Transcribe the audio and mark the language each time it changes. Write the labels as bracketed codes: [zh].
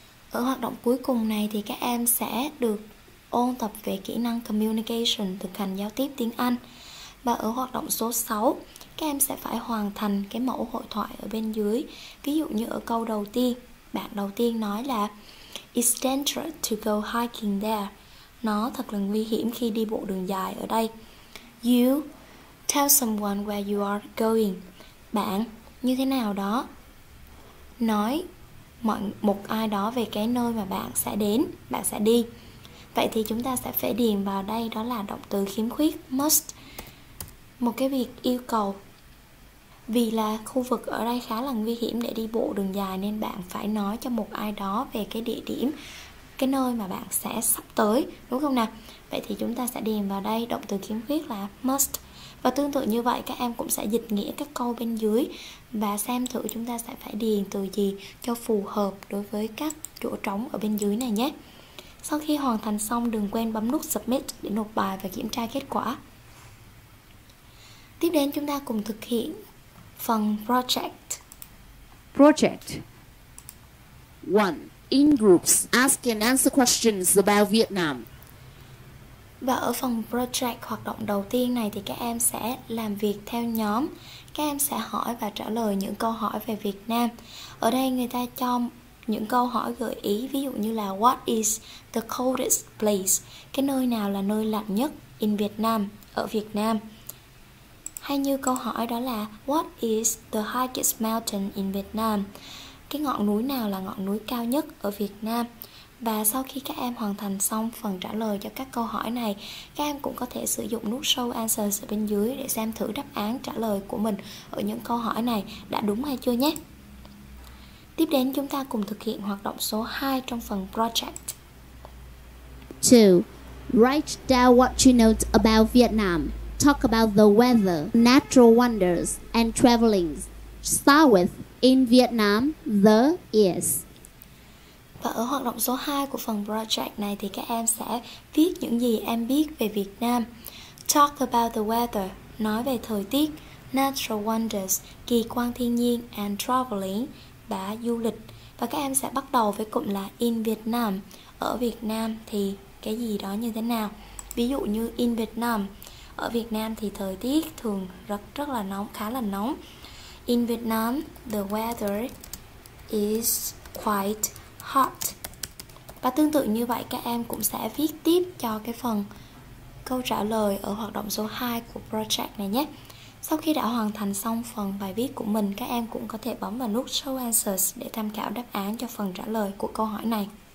[vi] Ở hoạt động cuối cùng này thì các em sẽ được ôn tập về kỹ năng communication, thực hành giao tiếp tiếng Anh. Và ở hoạt động số 6, các em sẽ phải hoàn thành cái mẫu hội thoại ở bên dưới. Ví dụ như ở câu đầu tiên, bạn đầu tiên nói là [en] It's dangerous to go hiking there. [vi] Nó thật là nguy hiểm khi đi bộ đường dài ở đây. [en] You tell someone where you are going. [vi] Bạn như thế nào đó nói một ai đó về cái nơi mà bạn sẽ đến, bạn sẽ đi. Vậy thì chúng ta sẽ phải điền vào đây, đó là động từ khiếm khuyết must, một cái việc yêu cầu. Vì là khu vực ở đây khá là nguy hiểm để đi bộ đường dài, nên bạn phải nói cho một ai đó về cái địa điểm, cái nơi mà bạn sẽ sắp tới, đúng không nào? Vậy thì chúng ta sẽ điền vào đây động từ khiếm khuyết là must. Và tương tự như vậy, các em cũng sẽ dịch nghĩa các câu bên dưới và xem thử chúng ta sẽ phải điền từ gì cho phù hợp đối với các chỗ trống ở bên dưới này nhé. Sau khi hoàn thành xong, đừng quên bấm nút submit để nộp bài và kiểm tra kết quả. Tiếp đến chúng ta cùng thực hiện phần project. [en] Project 1. In groups, ask and answer questions about Vietnam. [vi] Và ở phần project, hoạt động đầu tiên này, thì các em sẽ làm việc theo nhóm. Các em sẽ hỏi và trả lời những câu hỏi về Việt Nam. Ở đây người ta cho những câu hỏi gợi ý, ví dụ như là [en] What is the coldest place? [vi] Cái nơi nào là nơi lạnh nhất [en] in Vietnam, [vi] ở Việt Nam? Hay như câu hỏi đó là [en] What is the highest mountain in Vietnam? [vi] Cái ngọn núi nào là ngọn núi cao nhất ở Việt Nam? Và sau khi các em hoàn thành xong phần trả lời cho các câu hỏi này, các em cũng có thể sử dụng nút Show Answers ở bên dưới để xem thử đáp án trả lời của mình ở những câu hỏi này đã đúng hay chưa nhé. Tiếp đến chúng ta cùng thực hiện hoạt động số 2 trong phần Project. 2. [en] Write down what you note about Vietnam. Talk about the weather, natural wonders, and traveling. Start with in Vietnam, the is. [vi] Và ở hoạt động số 2 của phần project này thì các em sẽ viết những gì em biết về Việt Nam. [en] Talk about the weather, [vi] nói về thời tiết, [en] natural wonders, [vi] kỳ quan thiên nhiên, [en] and traveling, [vi] đã du lịch. Và các em sẽ bắt đầu với cụm là [en] in Vietnam, [vi] ở Việt Nam thì cái gì đó như thế nào. Ví dụ như in Vietnam, Ở Việt Nam thì thời tiết thường rất rất là nóng, khá là nóng. [en] In Vietnam, the weather is quite hot. [vi] Và tương tự như vậy, các em cũng sẽ viết tiếp cho cái phần câu trả lời ở hoạt động số 2 của project này nhé. Sau khi đã hoàn thành xong phần bài viết của mình, các em cũng có thể bấm vào nút Show Answers để tham khảo đáp án cho phần trả lời của câu hỏi này.